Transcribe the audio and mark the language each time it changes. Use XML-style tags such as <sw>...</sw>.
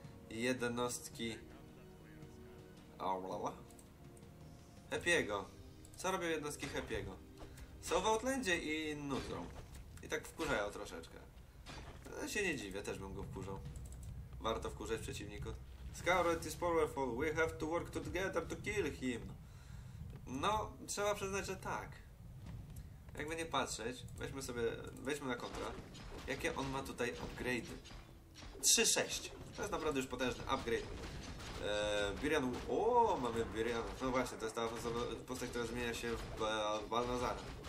<pl>Jednostki... Happy'ego. Co robią jednostki Happy'ego? Są w Outlandzie i nudzą. I tak wkurzają troszeczkę. Ja się nie dziwię, też bym go wkurzał. Warto wkurzać przeciwniku.</pl> <en>Scarlet is powerful, we have to work together to kill him.</en> <pl>No, trzeba przyznać, że tak. Jakby nie patrzeć, weźmy na kontra. Jakie on ma tutaj upgrade? 3-6. To jest naprawdę już potężny upgrade. Birian. O, mamy Birian. No właśnie, to jest ta postać, która zmienia się w Balnazara.</pl>